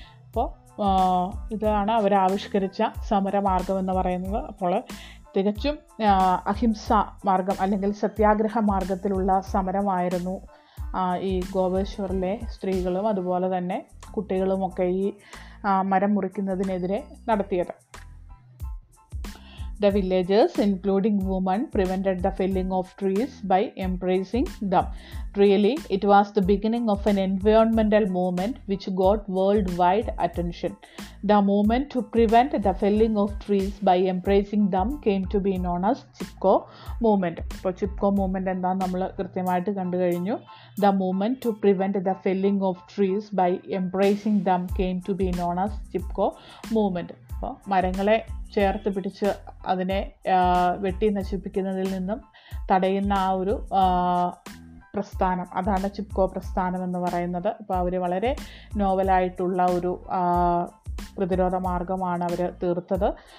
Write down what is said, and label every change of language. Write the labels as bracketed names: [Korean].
[Malayalam] അപ്പോൾ ഇതാണ് അവർ ആവിഷ്കരിച്ച സമരമാർഗം എന്ന് പറയുന്നത്. അപ്പോൾ തികച്ചും അഹിംസ മാർഗം അല്ലെങ്കിൽ സത്യാഗ്രഹ മാർഗത്തിലുള്ള സമരമായിരുന്നു ഈ ഗോപേശ്വറിലെ സ്ത്രീകളും അതുപോലെ തന്നെ കുട്ടികളുമൊക്കെ ഈ മരം മുറിക്കുന്നതിനെതിരെ നടത്തിയത്. [English] The villagers, including women, prevented the felling of trees by embracing them. Really, it was the beginning of an environmental movement which got worldwide attention. The movement to prevent the felling of trees by embracing them came to be known as Chipko Movement. So, Chipko Movement and then we will see the movement to prevent the felling of trees by embracing them came to be known as Chipko Movement. [Malayalam] മരങ്ങളെ ചേർത്ത് പിടിച്ച് അതിനെ വെട്ടി നശിപ്പിക്കുന്നതിൽ നിന്നും തടയുന്ന ആ ഒരു പ്രസ്ഥാനം അതാണ് ചിപ്കോ പ്രസ്ഥാനം എന്ന് പറയുന്നത്. അപ്പോൾ അവർ വളരെ നോവലായിട്ടുള്ള ഒരു പ്രതിരോധ മാർഗമാണ് അവർ തീർത്തത്.